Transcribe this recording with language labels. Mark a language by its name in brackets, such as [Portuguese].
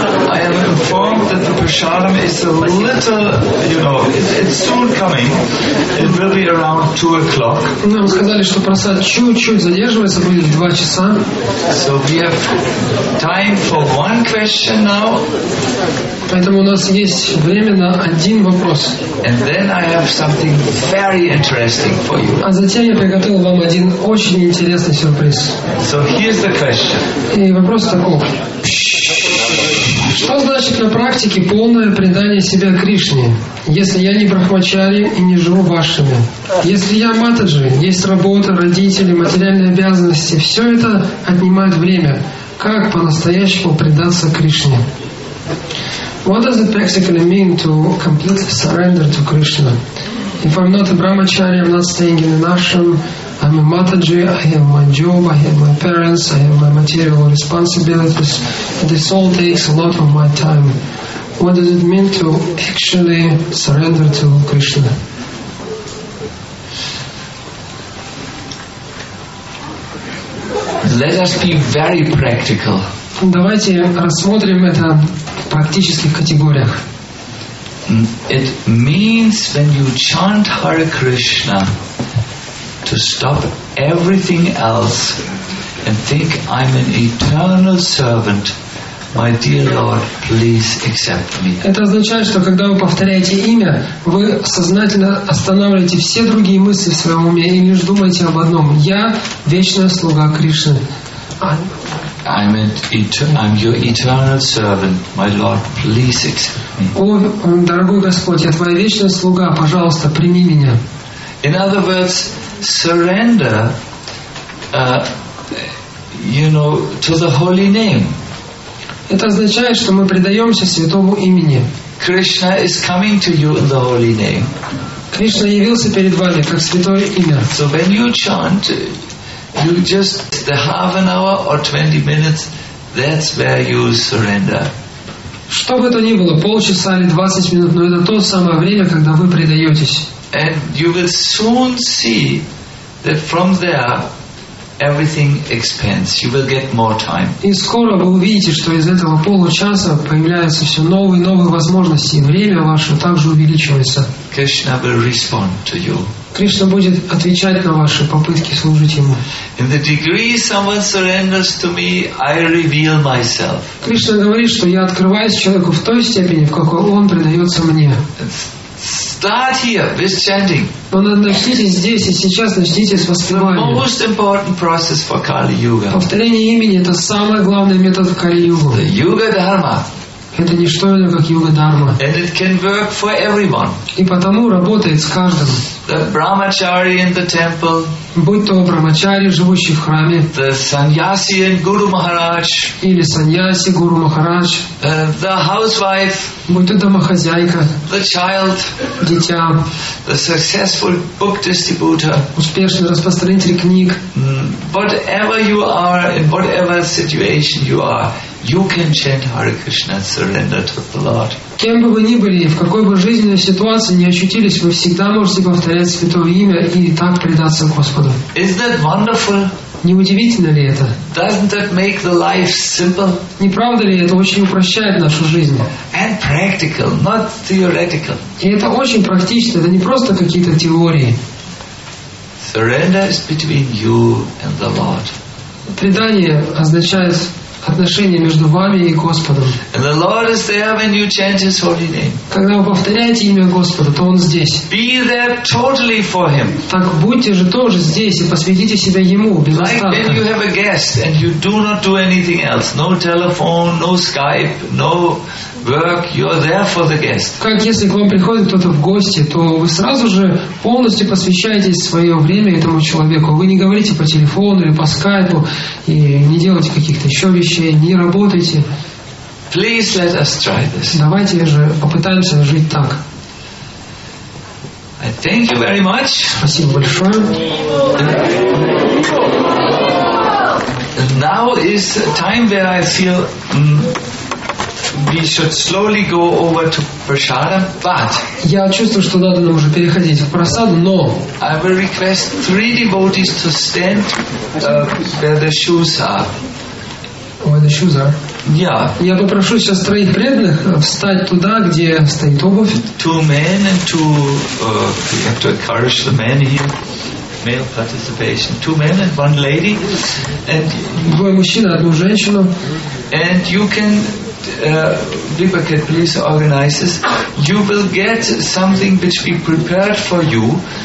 [English] I am informed that the prasadam is a little, you know, it's soon coming. It will be around 2 o'clock. [Russian] Нам сказали, что просад чуть-чуть задерживается, будет 2 часа. [English] So we have time for one question now. [Russian] Поэтому у нас есть время на один вопрос. [English] And then I have something very interesting for you. [Russian] А затем я приготовил вам один очень интересный сюрприз. [English] So here's the question. [Russian] И вопрос такой. Что значит на практике полное предание себя Кришне, если я не брахмачари и не живу вашими? Если я матаджи, есть работа, родители, материальные обязанности, все это отнимает время. Как по-настоящему предаться Кришне? [English] What does it practically mean to completely surrender to Krishna? If I'm not a brahmachari, I'm not staying in an ashram, I'm a mataji, I have my job, I have my parents, I have my material responsibilities. This all takes a lot of my time. What does it mean to actually surrender to Krishna? Let us be very practical. [Russian] Давайте рассмотрим это в практических категориях. [English] It means when you chant Hare Krishna, to stop everything else and think I'm an eternal servant. My dear Lord, please accept me. [Russian] Это означает, что когда вы повторяете имя, вы сознательно останавливаете все другие мысли в своем уме и лишь думаете об одном. Я вечная слуга Кришны. [English] I'm your eternal servant. My Lord, please accept me. [Russian] О, дорогой Господь, я твоя вечная слуга. Пожалуйста, прими меня. [English] In other words, surrender, you know, to the holy name. [Russian] Это означает, что мы предаемся святому имени. [English] Krishna is coming to you in the holy name. [Russian] Кришна явился перед вами как святое имя. [English] So when you chant, you just the half an hour or 20 minutes. That's where you surrender. [Russian] Что бы то ни было, полчаса или 20 минут, но это то самое время, когда вы предаетесь. [English] And you will soon see that from there everything expands. You will get more time. [Russian] И скоро вы увидите, что из этого получаса появляются все новые и новые возможности, и время ваше также увеличивается. [English] Krishna will respond to you. [Russian] Кришна будет отвечать на ваши попытки служить ему. [English] In the degree someone surrenders to me, I reveal myself. [Russian] Кришна говорит, что я открываюсь человеку в той степени, в какой он предается мне. [English] Start here with chanting. [Russian] Но начните здесь и сейчас начните с воспевания. [English] The most important process for Kali Yuga. [Russian] Повторение имени это самый главный метод в Кали Югу. [English] The Yuga Dharma. [Russian] Это не что иное, как Юга Дхарма. [English] And it can work for everyone. [Russian] И потому работает с каждым. [English] The brahmachari in the temple. [Russian] Будь то брахмачари, живущий в храме. [English] The sannyasi and guru maharaj. [Russian] Или саньяси, гуру махарадж. [English] The housewife. [Russian] Будь то домохозяйка. [English] The child. [Russian] Дитя. [English] The successful book distributor. [Russian] Успешный распространитель книг. [English] Whatever you are, in whatever situation you are, you can chant Hare Krishna and surrender to the Lord. [Russian] Кем бы вы ни были, в какой бы жизненной ситуации ни очутились, вы всегда можете повторять святое имя и так предаться Господу. [English] Isn't that wonderful? [Russian] Не удивительно ли это? [English] Doesn't that make the life simple? [Russian] Не правда ли, это очень упрощает нашу жизнь? [English] And practical, not theoretical. [Russian] И это очень практично, это не просто какие-то теории. [English] Surrender is between you and the Lord. [Russian] Предание означает отношения между вами и Господом. [English] And the Lord is there when you chant His holy name. [Russian] Когда вы повторяете имя Господа, то Он здесь. [English] Be there totally for Him. [Russian] Так будьте же тоже здесь и посвятите себя Ему без остатка. [English] Like when you have a guest and you do not do anything else, no telephone, no Skype, no work, you're there for the guest. [Russian] Как если к вам приходит кто-то в гости, то вы сразу же полностью посвящаете свое время этому человеку. Вы не говорите по телефону или по Скайпу и не делаете каких-то еще вещей. Не работайте. [English] Please let us try this. [Russian] Давайте же попытаемся жить так. [English] I thank you very much. [Russian] Спасибо большое. [English] Now is time where I feel we should slowly go over to prasadam, but [Russian] я чувствую, что надо нам уже переходить в прасад, но [English] I will request 3 devotees to stand where the shoes are. Where the shoes are. Yeah. [Russian] Я попрошу сейчас троих преданных встать туда, где стоит обувь. [English] Two men and two. We have to encourage the men here. Male participation. Two men and one lady. And [Russian] двое мужчин, одну женщину. [English] And you can. Deepak, please organize this. You will get something which we prepared for you.